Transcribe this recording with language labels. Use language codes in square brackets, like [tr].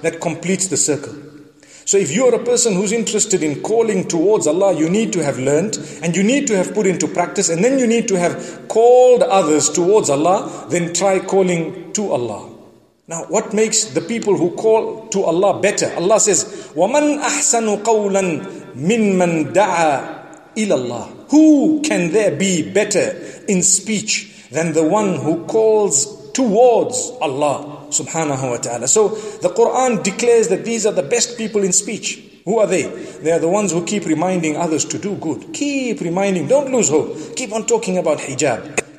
[en] That completes the circle. So if you are a person who's interested in calling towards Allah, you need to have learnt and you need to have put into practice and then you need to have called others towards Allah, then try calling to Allah. Now, what makes the people who call to Allah better? Allah says, [ar] وَمَنْ أَحْسَنُ قَوْلًا مِّمَّنْ دَعَى إِلَى اللَّهِ. [en] Who can there be better in speech than the one who calls towards Allah subhanahu wa ta'ala? So the Quran declares that these are the best people in speech. Who are they? They are the ones who keep reminding others to do good. Keep reminding. Don't lose hope. Keep on talking about hijab.